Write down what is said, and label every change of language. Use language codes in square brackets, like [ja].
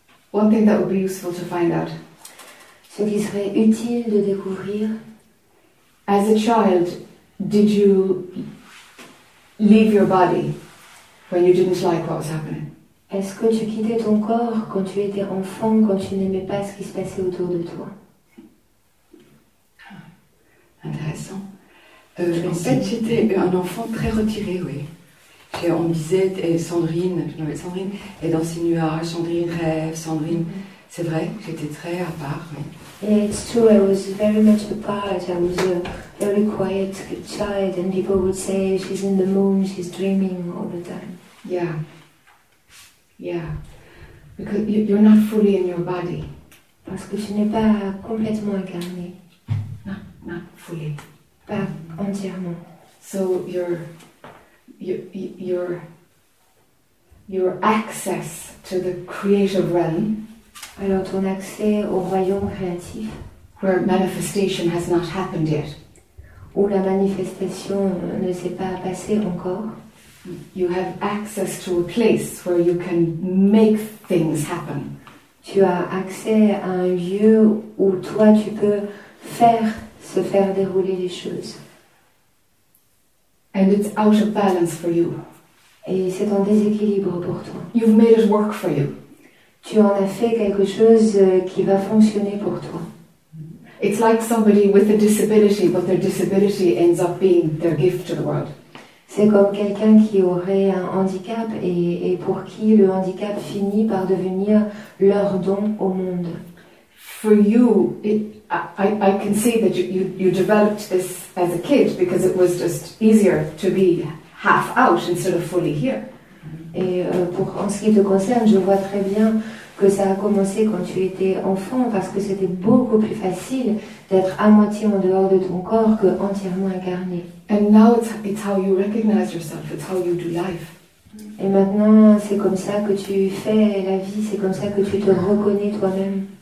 [en] One thing that would be useful to find out. [fr] Ce qui serait utile de découvrir. [en] As a child, did you leave your body when you didn't like what was happening? [fr] Est-ce que tu quittais ton corps quand tu étais enfant, quand tu n'aimais pas ce qui se passait autour de toi? Intéressant. En fait, j'étais un enfant très retiré, oui. Et on disait, et Sandrine, je m'appelle Sandrine, et dans ces nuages, Sandrine rêve, Sandrine. C'est vrai, j'étais très à part. Oui. [en] Yeah, it's true, I was very much apart. I was a very quiet child, and people would say, she's in the moon, she's dreaming all the time. Yeah. Because you're not fully in your body. [fr] Parce que tu n'es pas complètement incarné. [en] Not fully. [fr] Pas entièrement. [en] So your access to the creative realm. [fr] Alors ton accès au royaume créatif. [en] Where manifestation has not happened yet. [fr] Où la manifestation ne s'est pas passée encore. [en] You have access to a place where you can make things happen. [fr] Tu as accès à un lieu où toi tu peux se faire dérouler les choses. [en] And it's out of balance for you. [fr] Et c'est en déséquilibre pour toi. [en] You've made it work for you. [fr] Tu en as fait quelque chose qui va fonctionner pour toi. [en] It's like somebody with a disability, but their disability ends up being their gift to the world. [fr] C'est comme quelqu'un qui aurait un handicap et pour qui le handicap finit par devenir leur don au monde. [en] For you, I can see that you developed this as a kid because it was just easier to be half out instead of fully here. [fr] Et pour en ce qui te concerne, je vois très bien que ça a commencé quand tu étais enfant parce que c'était beaucoup plus facile d'être à moitié en dehors de ton corps que entièrement incarné. [en] And now it's how you recognize yourself. It's how you do life. [fr] Et maintenant, c'est comme ça que tu fais la vie. C'est comme ça que tu te reconnais toi-même.